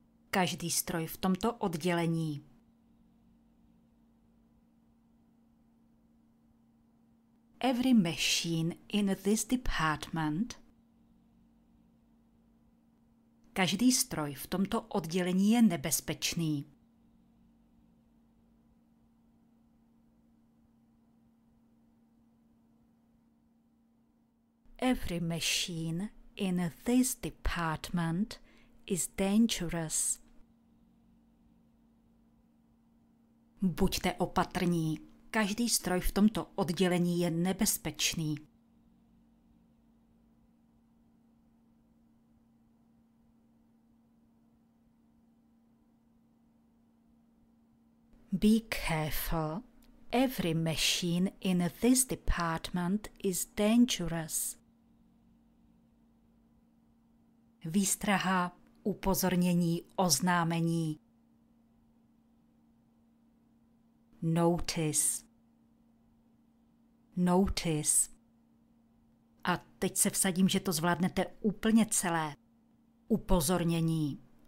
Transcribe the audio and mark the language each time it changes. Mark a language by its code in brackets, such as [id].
[cs] Každý stroj v tomto oddělení. [en] Every machine in this department. [cs] Každý stroj v tomto oddělení je nebezpečný. [en] Every machine in this department is dangerous. [cs] Buďte opatrní. Každý stroj v tomto oddělení je nebezpečný. [en] Be careful. Every machine in this department is dangerous. [cs] Výstraha, upozornění, oznámení. [en] Notice. Notice. [cs] A teď se vsadím, že to zvládnete úplně celé. Upozornění.